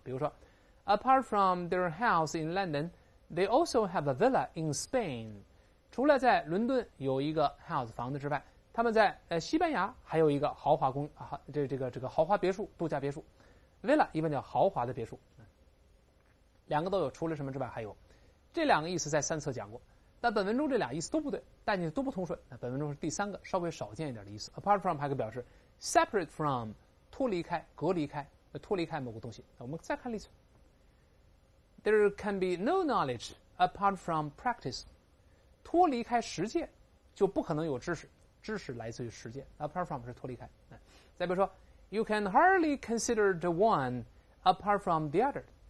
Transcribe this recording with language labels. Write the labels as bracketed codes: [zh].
[zh] 比如说 [en] ，apart from their house in London， they also have a villa in Spain。 [zh] 除了在伦敦有一个 house 房子之外，他们在西班牙还有一个豪华公啊，这个豪华别墅，度假别墅 ，villa 一般叫豪华的别墅。两个都有，除了什么之外还有，这两个意思在三册讲过，但本文中这俩意思都不对，但你都不通顺。那本文中是第三个稍微少见一点的意思 ，apart from 还可以表示 separate from， 脱离开、隔离开脱离开某个东西。我们再看例子。 [en] There can be no knowledge apart from practice. [zh] 脱离开实践就不可能有知识，知识来自于实践。 apart from 是脱离开。再比如说 [en] You can hardly consider the one apart from the other.